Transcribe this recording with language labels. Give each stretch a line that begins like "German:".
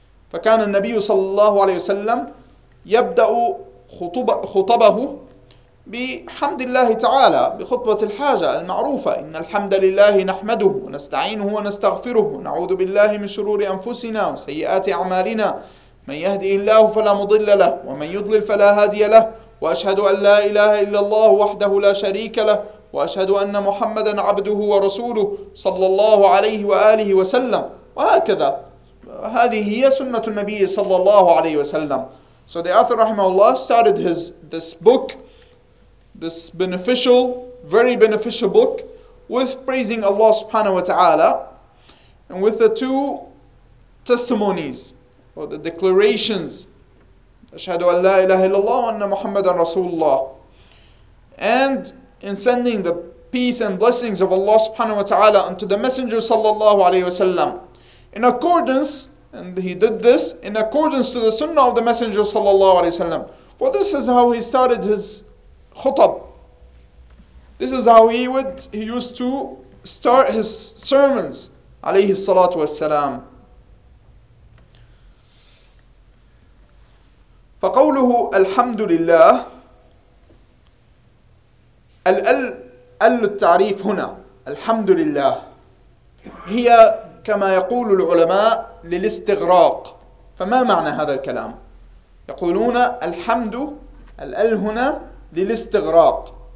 Arabic: فكان النبي صلى الله عليه وسلم يبدأ خطبه بحمد الله تعالى بخطبة الحاجة المعروفة إن الحمد لله نحمده ونستعينه ونستغفره نعوذ بالله من شرور أنفسنا وسيئات أعمالنا من يهدئ الله فلا مضل له ومن يضلل فلا هادي له وأشهد أن لا إله إلا الله وحده لا شريك له وأشهد أن محمدا عبده ورسوله صلى الله عليه وآله وسلم. وهكذا هذه هي سنة النبي صلى الله عليه وسلم.
English: So the author رحمه الله started this book, this beneficial, very beneficial book, with praising Allah subhanahu wa ta'ala, and with the two testimonies, or the declarations, أشهد أن لا إله إلا الله وأن محمدا رسول الله. And in sending the peace and blessings of Allah subhanahu wa ta'ala unto the messenger sallallahu alayhi wa sallam. In accordance, and he did this, in accordance to the sunnah of the messenger sallallahu alayhi wa sallam. For this is how he started his khutab. This is how he used to start his sermons, alayhi salatu wa sallam.
Arabic: فقوله الحمد لله ال التعريف هنا الحمد لله هي كما يقول العلماء للاستغراق. فما معنى هذا الكلام؟ يقولون الحمد ال هنا للاستغراق.